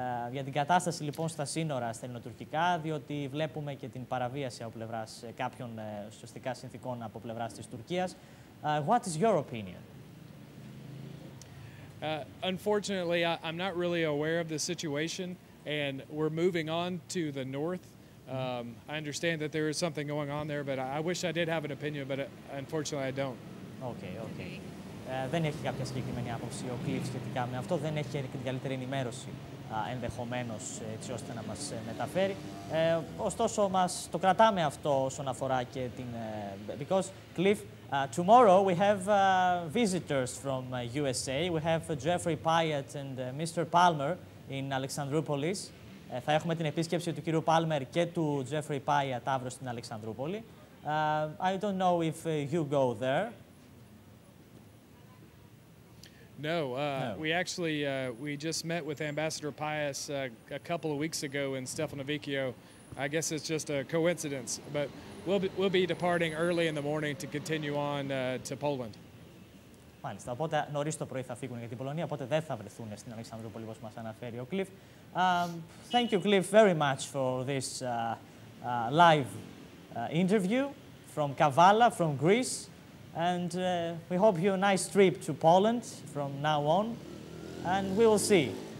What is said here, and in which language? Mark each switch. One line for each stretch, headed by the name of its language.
Greek: Για την κατάσταση λοιπόν στα σύνορα, στα ελληνοτουρκικά, διότι βλέπουμε και την παραβίαση από πλευράς κάποιων ουσιαστικά συνθήκων από πλευράς της Τουρκίας.
English: What is your opinion? Unfortunately, I'm not really aware of the situation, and we're moving on to the north. I understand that there is something going on there, but I wish I did have an opinion, but unfortunately I don't. Okay, okay.
Greek: Δεν έχει κάποια συγκεκριμένη άποψη ο Cliff σχετικά με αυτό. Δεν έχει και την καλύτερη ενημέρωση ενδεχομένως έτσι ώστε να μας μεταφέρει. Ωστόσο, μας το κρατάμε αυτό όσον αφορά και την...
English: Because, Cliff, tomorrow we have visitors from USA. We have Jeffrey Pyatt and Mr. Palmer in Alexandroupolis.
Greek: Θα έχουμε την επίσκεψη του κύριου Palmer και του Jeffrey Pyatt αύριο στην Αλεξανδρούπολη.
English: I don't know if you go there. No, we actually we just met with Ambassador Pius a couple of weeks ago in Stefanovicio. I guess it's just a coincidence, but we'll be departing early in the morning to continue on to Poland.
Greek: Μάλιστα, οπότε νωρίς το πρωί θα φύγουν για την Πολωνία, οπότε δεν θα βρεθούν στην Αλεξανδρούπολη όπως μας αναφέρει ο Cliff.
English: Thank you, Cliff, very much for this live interview from Kavala, from Greece. And we hope you a nice trip to Poland from now on, and we will see.